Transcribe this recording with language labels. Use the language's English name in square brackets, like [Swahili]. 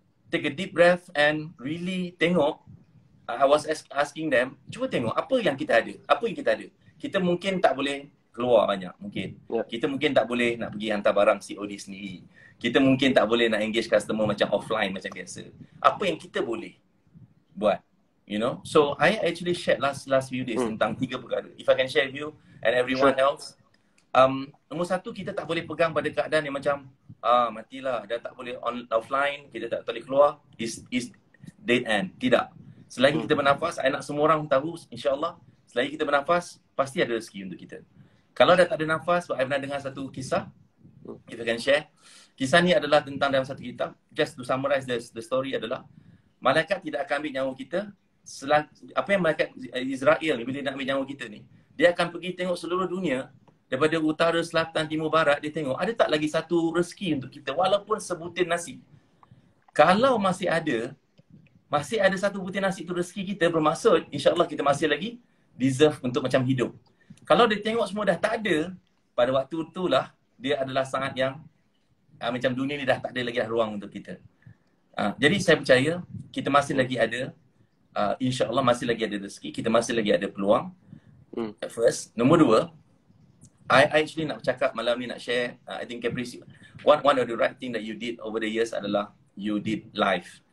[English] take a deep breath and really [Malay] tengok. [English] I was asking them, [Malay] cuba tengok apa yang kita ada. Apa yang kita ada? Kita mungkin tak boleh keluar banyak, mungkin. Yeah. Kita mungkin tak boleh nak pergi hantar barang COD sendiri. Kita mungkin tak boleh nak engage customer macam offline macam biasa. Apa yang kita boleh buat? [English] You know? So, I actually shared last few days tentang tiga perkara. If I can share with you and everyone else. [Malay] Nombor satu, kita tak boleh pegang pada keadaan yang macam matilah, dah tak boleh offline, kita tak boleh keluar, [English] is dead end. [Malay] Tidak. Selagi kita bernafas, I nak semua orang tahu, insyaAllah, selagi kita bernafas, pasti ada rezeki untuk kita. Kalau dah tak ada nafas, I pernah dengar satu kisah, [English] if I can share. [Malay] Kisah ni adalah tentang dalam satu kitab. [English] Just to summarize the story [Malay] adalah, malaikat tidak akan ambil nyawa kita, apa yang malaikat Israel ni, bila dia nak ambil nyawa kita ni, dia akan pergi tengok seluruh dunia, daripada utara, selatan, timur, barat, dia tengok ada tak lagi satu rezeki untuk kita walaupun sebutir nasi. Kalau masih ada, masih ada satu butir nasi tu rezeki kita, bermaksud insyaAllah kita masih lagi deserve untuk macam hidup. Kalau dia tengok semua dah tak ada, pada waktu itulah dia adalah sangat yang macam dunia ni dah tak ada lagi dah ruang untuk kita. Jadi saya percaya kita masih lagi ada, insyaAllah masih lagi ada rezeki, kita masih lagi ada peluang. [English] At first. [Malay] Nombor dua, [English] I actually [Malay] nak cakap malam ni, nak share, [English] I think Caprice, one of the right thing that you did over the years adalah you did live.